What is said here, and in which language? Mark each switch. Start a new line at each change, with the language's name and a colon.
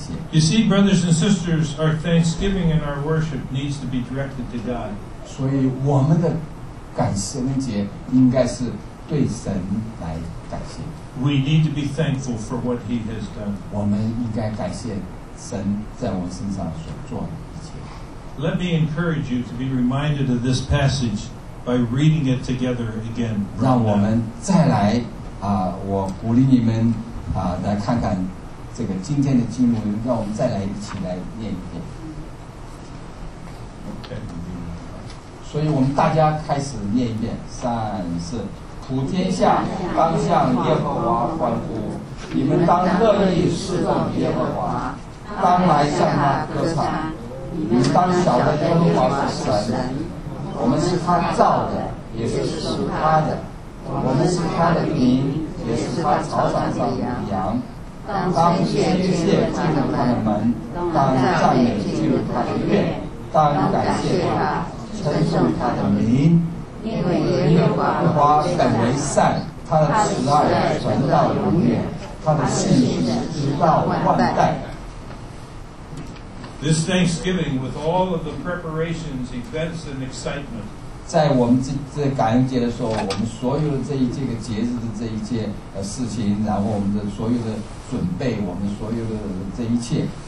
English: You see, brothers and sisters, our thanksgiving and our worship needs to be directed to God.
Chinese: 所以我们的感恩节应该是对神来感谢。
English: We need to be thankful for what He has done.
Chinese: 我们应该感谢神在我们身上所做的一切。
English: Let me encourage you to be reminded of this passage by reading it together again.
Chinese: 让我们再来啊，我鼓励你们啊，来看看这个今天的经文，让我们再来一起来念一遍。所以我们大家开始念一遍，三四，普天下当向耶和华欢呼，你们当乐意侍奉耶和华，当来向他歌唱。你们当晓得耶和华是神，我们是他造的，也是属他的，我们是他的民，也是他草场上的羊。当天界进入他的门，当赞美进入他的院，当感谢他，称颂他的名。因为耶和华本为善，他的慈爱存到永远，他的信实直到万代。
English: This Thanksgiving, with all of the preparations, events, and excitement,
Chinese: 在我们 这感恩节的时候，我们所有的这个节日的这一件事情，然后我们的所有的准备，我们所有的这一切。